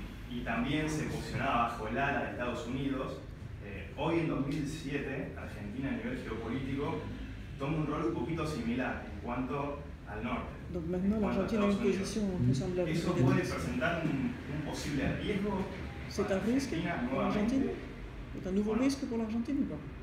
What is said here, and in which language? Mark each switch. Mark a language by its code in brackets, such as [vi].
[es] Y también se posicionaba bajo el ala de Estados Unidos. Hoy en 2007, Argentina a nivel geopolítico toma un rol un poquito similar en cuanto al norte. [fr] Donc maintenant l'Argentine a une position semblable. [es] ¿Eso puede presentar un posible riesgo? [fr] C'est un risque pour l'Argentine? C'est un nouveau risque pour l'Argentine ou pas?